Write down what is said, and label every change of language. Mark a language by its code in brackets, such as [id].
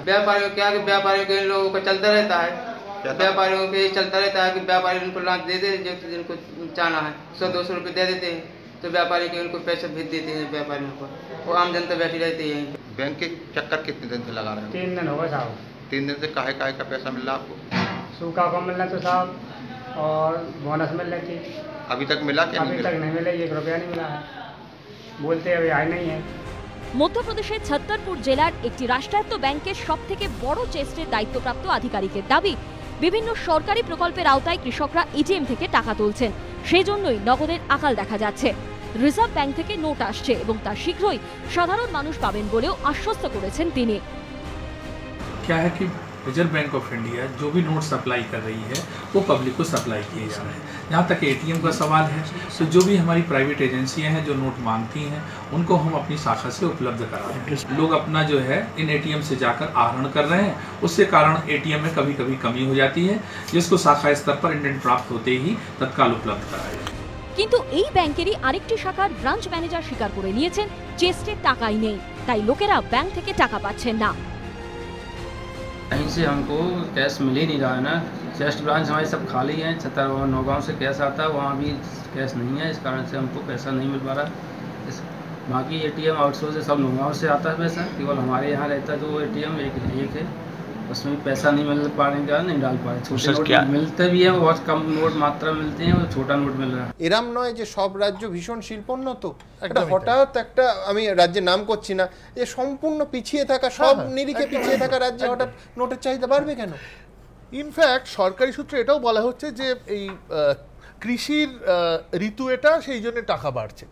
[hi] व्यापारियों क्या कि व्यापारियों के इन लोगों का चलता रहता है, व्यापारियों के चलता रहता है कि व्यापारी उनको लाख दे देते हैं, जिनको चाहना है 100-200 रुपये दे देते हैं, तो व्यापारी के उनको पैसा भेज देते हैं व्यापारियों को, वो आम जनता बैठी रहती है। बैंक के चक्कर कितने दिन से लगा रहे हैं? 3 दिन हो गए साहब। 3 दिन से काहे काहे का पैसा मिल रहा आपको? सूखा को मिलना तो साहब और बोनस मिल रहे थे, अभी तक मिला क्या? अभी तक नहीं मिला, 1 रुपया नहीं मिला है, बोलते अभी आए नहीं है। [bn] মধ্যপ্রদেশের ছত্তরপুর জেলার একটি রাষ্ট্রায়ত্ত ব্যাংকের সব থেকে বড় চেস্টের দায়িত্বপ্রাপ্ত আধিকারিকের দাবি, বিভিন্ন সরকারি প্রকল্পের আওতায় কৃষকরা এটিএম থেকে টাকা তুলছেন, সেই জন্যই নগদের আকাল দেখা যাচ্ছে। রিজার্ভ ব্যাংক থেকে নোট আসছে এবং তা শীঘ্রই সাধারণ মানুষ পাবেন বলেও আশ্বস্ত করেছেন তিনি। [hi] ক্যা হ্যায় কি रिजर्व बैंक ऑफ इंडिया जो भी नोट सप्लाई कर रही है वो पब्लिक को सप्लाई किए जा रहे हैं। जहाँ तक एटीएम का सवाल है तो जो भी हमारी प्राइवेट एजेंसियाँ हैं जो नोट मांगती हैं उनको हम अपनी शाखा से उपलब्ध करा रहे हैं। लोग अपना जो है इन एटीएम से जाकर आहरण कर रहे हैं, उसके कारण एटीएम में कभी कभी कमी हो जाती है जिसको शाखा स्तर पर इंडियन ड्राफ्ट होते ही तत्काल उपलब्ध कराया। [bn] কিন্তু এই ব্যাংকেরই আরেকটি শাখার ব্রাঞ্চ ম্যানেজার স্বীকার করে নিয়েছেন চেস্টে টাকাই নেই, তাই লোকেরা ব্যাংক থেকে টাকা পাচ্ছেন না। [hi] कहीं से हमको कैश मिल ही नहीं रहा है ना, चेस्ट ब्रांच हमारे सब खाली हैं, छतर और नौगांव से कैश आता है वहाँ भी कैश नहीं है, इस कारण से हमको पैसा नहीं मिल पा रहा। बाकी एटीएम आउटसोर्स सब नौगांव से आता है पैसा, केवल हमारे यहाँ रहता है जो एटीएम एक है उसमें पैसा नहीं मिल पा रहे हैं, नहीं डाल पा रहे। छोटे नोट मिलते भी हैं, बहुत कम नोट मात्रा मिलते हैं, छोटा नोट मिल रहा है। [bn] এরাম নয় যে সব রাজ্য ভীষণ শিল্পোন্নত, একটা হঠাৎ একটা আমি রাজ্যের নাম করছি না, যে সম্পূর্ণ পিছিয়ে থাকা সব নিরিখে পিছিয়ে থাকা রাজ্যে হঠাৎ নোটের চাহিদা বাড়বে কেন? ইনফ্যাক্ট সরকারি সূত্রে এটাও বলা হচ্ছে যে এই কৃষির ঋতু এটা, সেই জন্য টাকা বাড়ছে।